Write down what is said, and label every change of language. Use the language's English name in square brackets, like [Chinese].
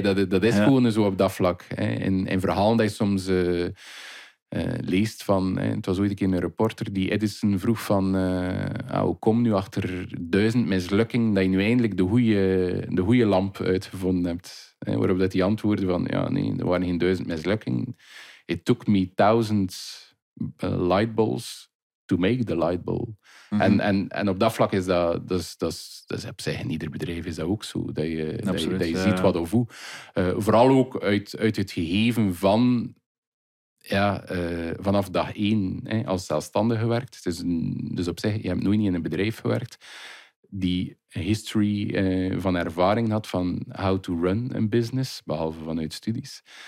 [Dutch] dat is gewoon zo op dat vlak. In verhalen dat je soms leest van... het was ooit een keer een reporter die Edison vroeg van... hoe kom nu achter 1000 mislukkingen dat je nu eindelijk de goede lamp uitgevonden hebt? Waarop dat die antwoordde van... ja, nee, er waren geen 1000 mislukkingen. [English] It took me 1000 light bulbs to make the light bulb. [Dutch] Mm-hmm. En op dat vlak is dat... dat is op zich in ieder bedrijf is dat ook zo. Dat je ziet wat of hoe. Vooral ook uit het gegeven van... vanaf dag 1 als zelfstandige gewerkt. Dus op zich, je hebt nooit niet in een bedrijf gewerkt die een history van ervaring had van [English] how to run a business, [Dutch] behalve vanuit studies.